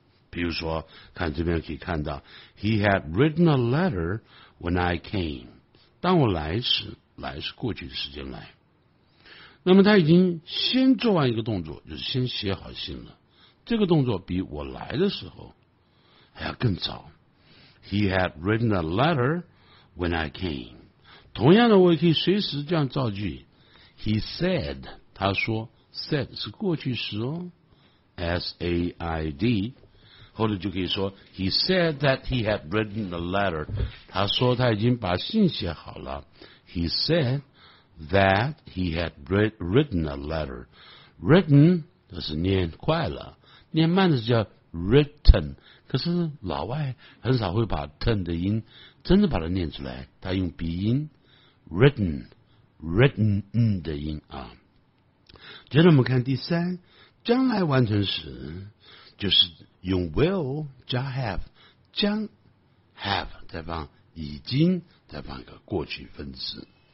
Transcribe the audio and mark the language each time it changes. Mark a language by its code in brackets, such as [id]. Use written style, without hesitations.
[zh] 比如说看这边可以看到， [en] He had written a letter when I came， [zh] 当我来时，来是过去的时间来，那么他已经先做完一个动作，就是先写好信了，这个动作比我来的时候还要更早。 [en] He had written a letter when I came。 [zh] 同样的我也可以随时这样造句， [en] He said， 他说， said 是过去时哦， S-A-I-D， 或者就可以说 He said that he had written a letter， [zh] 他说他已经把信写好了。 [en] He said that he had written a letter。 [zh] written 就是念快了，念慢的叫 written，可是老外很少会把 turn 的音真的把它念出来，他用鼻音 written written 的音啊。接着我们看第三，将来完成时就是用 will 加 have， 将 have 再放已经，再放一个过去分词。